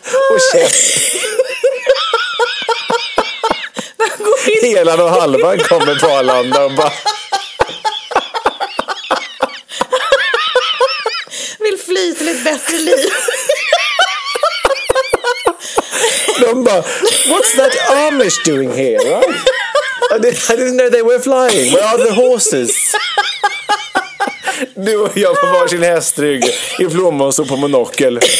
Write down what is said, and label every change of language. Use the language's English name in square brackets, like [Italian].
[Swedish] Och käft. Hela och halva kommer på Arlanda och bara... Vill fly till ett bättre liv. De bara, [English] what's that Amish doing here, right? I didn't know they were flying. Where are the horses? [Swedish] Du och jag på varsin hästrygg i plommon och på monokel.